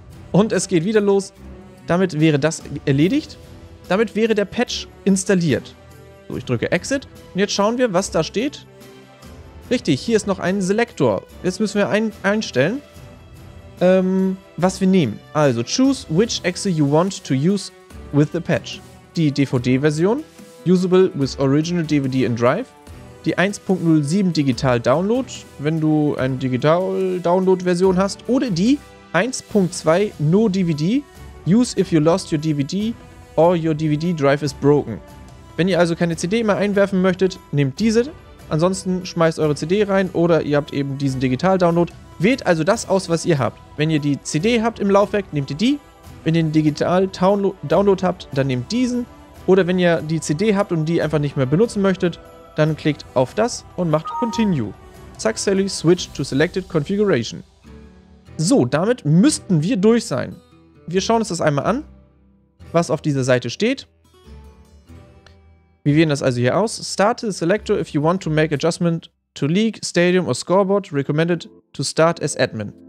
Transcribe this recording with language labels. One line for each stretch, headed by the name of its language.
German: Und es geht wieder los. Damit wäre das erledigt. Damit wäre der Patch installiert. So, ich drücke Exit. Und jetzt schauen wir, was da steht. Richtig, hier ist noch ein Selektor. Jetzt müssen wir einstellen, was wir nehmen.
English: Also, choose which Exe you want to use with the patch.
German: Die DVD-Version,
English: usable with original DVD and Drive.
German: Die 1.07 Digital Download, wenn du eine Digital Download Version hast, oder die 1.2 No DVD,
English: use if you lost your DVD or your DVD drive is broken.
German: Wenn ihr also keine CD mehr einwerfen möchtet, nehmt diese. Ansonsten schmeißt eure CD rein oder ihr habt eben diesen Digital Download. Wählt also das aus, was ihr habt. Wenn ihr die CD habt im Laufwerk, nehmt ihr die. Wenn ihr den Digital Download habt, dann nehmt diesen. Oder wenn ihr die CD habt und die einfach nicht mehr benutzen möchtet, dann klickt auf das und macht Continue.
English: Successfully switch to selected configuration.
German: So, damit müssten wir durch sein. Wir schauen uns das einmal an, was auf dieser Seite steht. Wir wählen das also hier aus.
English: Start the selector if you want to make adjustment to league, stadium or scoreboard. Recommended to start as admin.